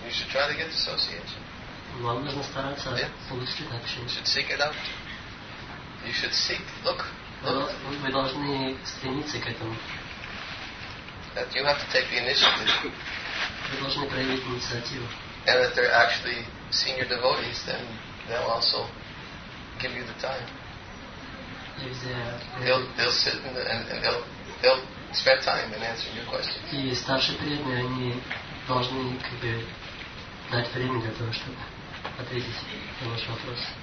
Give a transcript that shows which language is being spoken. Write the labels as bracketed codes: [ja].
[ru] преданными. Вам нужно стараться получить это общение. Вы должны стремиться к этому. [en] That you have to take the initiative. [ru] Вы должны проявить инициативу. [en] And if they're actually senior devotees, then they'll also give you the time. They'll sit in the, and they'll spend time in answering your questions. [ru] И старшие преданные, они должны как бы дать время для того, чтобы ответить на ваш вопрос.